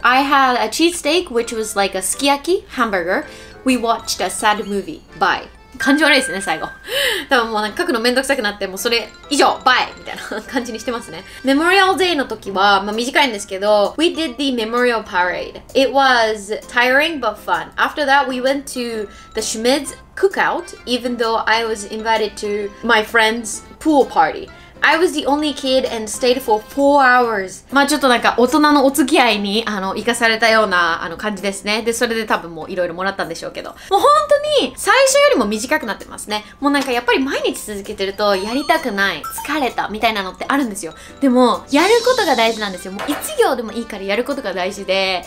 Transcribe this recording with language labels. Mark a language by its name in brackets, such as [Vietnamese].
[English] I had a cheesesteak, which was like a sukiyaki hamburger. We watched a sad movie. Bye. [Japanese] 感じ悪いですね、最後。多分もうなんか書くのめんどくさくなって、もうそれ以上、バイみたいな感じにしてますね。メモリアルデイの時は、まあ短いんですけど、 [English] We did the memorial parade. It was tiring but fun. After that, we went to the Schmidt's cookout, even though I was invited to my friend's pool party. I was the only kid and stayed for 4 hours. [Japanese] まあちょっとなんか大人のお付き合いに生かされたような感じですね。で、それで多分もういろいろもらったんでしょうけど。もう本当に最初よりも短くなってますね。もうなんかやっぱり毎日続けてるとやりたくない、疲れたみたいなのってあるんですよ。でも、やることが大事なんですよ。もう一行でもいいからやることが大事で。